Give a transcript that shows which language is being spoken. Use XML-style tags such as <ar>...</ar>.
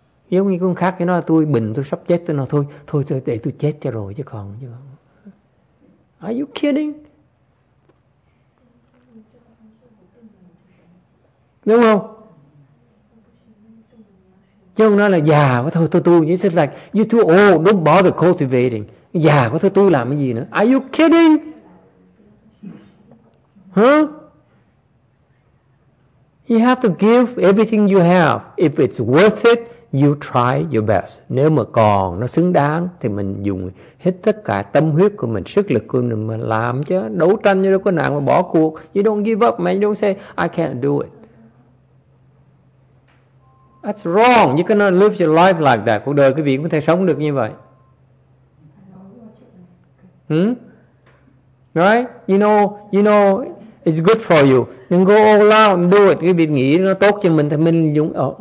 <vi>Giống như con khác, nó là tôi bình, tôi sắp chết, tôi nói thôi, thôi để tôi chết cho rồi chứ còn. Chứ.</vi> <en>Are you kidding?</en> <vi>Đúng không? Chứ ông nói là già quá, thôi tôi tu.</vi> <en>It's just like, you're too old, don't bother cultivating.</en> <vi>Già quá, thôi tôi làm cái gì nữa.</vi> <en>Are you kidding? Huh? You have to give everything you have. If it's worth it, you try your best.</en> <vi>Nếu mà còn nó xứng đáng thì mình dùng hết tất cả tâm huyết của mình, sức lực của mình mà làm chứ. Đấu tranh như đâu có nạn mà bỏ cuộc.</vi> <en>You don't give up, man. You don't say, I can't do it. That's wrong. You cannot live your life like that.</en> <vi>Cuộc đời quý vị cũng có thể sống được như vậy.</vi> <en>Hmm? Right? You know, it's good for you. Then go all out and do it.</en> <vi>Quý vị nghĩ nó tốt cho mình thì mình dùng...</vi>